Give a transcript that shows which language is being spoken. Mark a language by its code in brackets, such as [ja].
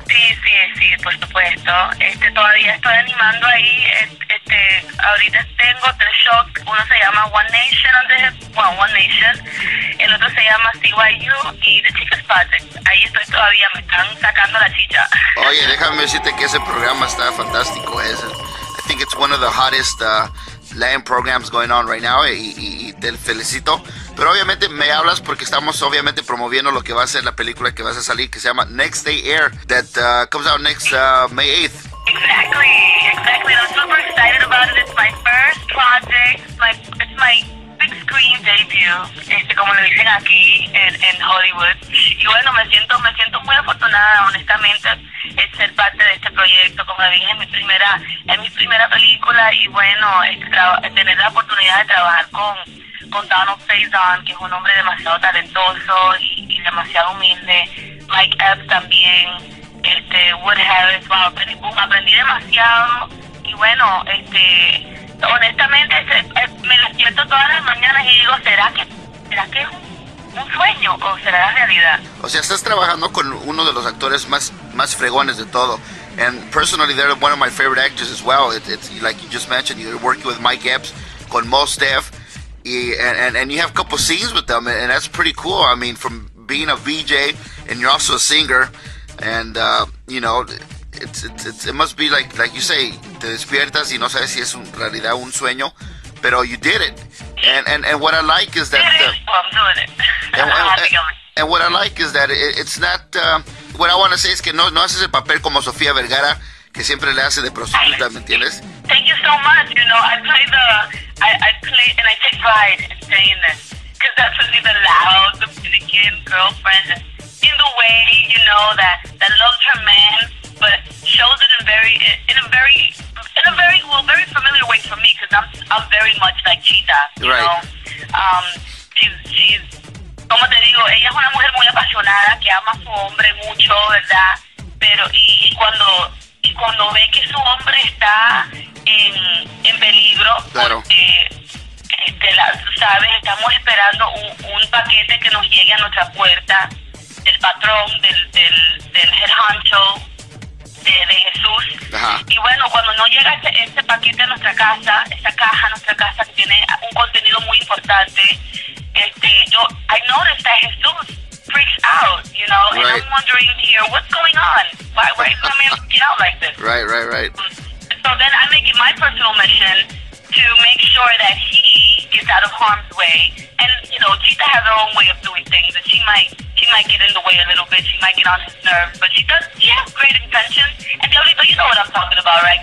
[es] Sí, por supuesto. Todavía estoy animando ahí. Ahorita tengo tres shows. Uno se llama One Nation. El otro se llama CYU y The Chicken Project. Ahí estoy todavía, me están sacando la chicha. Oye, déjame decirte que ese programa está fantástico. [en] Es, I think it's one of the hottest... Land programs going on right now [es] y te felicito, pero obviamente me hablas porque estamos obviamente promoviendo lo que va a ser la película que vas a salir, que se llama Next Day Air, [en] that comes out next May 8th. Exactly, I'm super excited about it. It's my first project, it's my big screen debut, [es] como lo dicen aquí en Hollywood, y bueno, me siento muy afortunada, honestamente, es ser parte de este proyecto. Como dije, es mi primera película, y bueno, tener la oportunidad de trabajar con Donald Faison, que es un hombre demasiado talentoso y demasiado humilde, Mike Epps también, Wood Harris, wow, aprendí demasiado, y bueno, honestamente, me despierto todas las mañanas y digo, ¿será que un sueño o será la realidad? O sea, estás trabajando con uno de los actores más fregones de todo. [en] And personally, they're one of my favorite actors as well. It's like you just mentioned, you're working with Mike Epps, con Mos Def, and you have a couple scenes with them, and that's pretty cool. I mean, from being a VJ, and you're also a singer, and, you know, it must be like you say, [es] te despiertas y no sabes si es realidad un sueño, pero [en] you did it. And what I like is that... Well, I'm doing it. And what I like is that it's not... What I want to say is [es] que no haces el papel como Sofía Vergara, que siempre le hace de prostituta, ¿me entiendes? [en] Thank you so much, you know, I play, and I take pride in saying this, because that's really the loud, the Dominican girlfriend, in the way, you know, that loves her man, but shows it in a very familiar way for me, because I'm very much like Cheetah, you know? She's... [es] Como te digo, ella es una mujer muy apasionada, que ama a su hombre mucho, ¿verdad? Pero y cuando ve que su hombre está en peligro, claro, porque, ¿sabes? Estamos esperando un paquete que nos llegue a nuestra puerta del patrón, del head honcho de Jesús. Ajá. Y bueno, cuando no llega ese paquete a nuestra casa, esa caja a nuestra casa que tiene un contenido muy importante... [en] I noticed that Jesus freaks out, you know, right. And I'm wondering here, what's going on? Why is my man freaking out like this? Right. So then I make it my personal mission to make sure that he gets out of harm's way. And, you know, Cheetah has her own way of doing things, and she might get in the way a little bit, she might get on his nerves, but she has great intentions, and Diablito, you know what I'm talking about, right?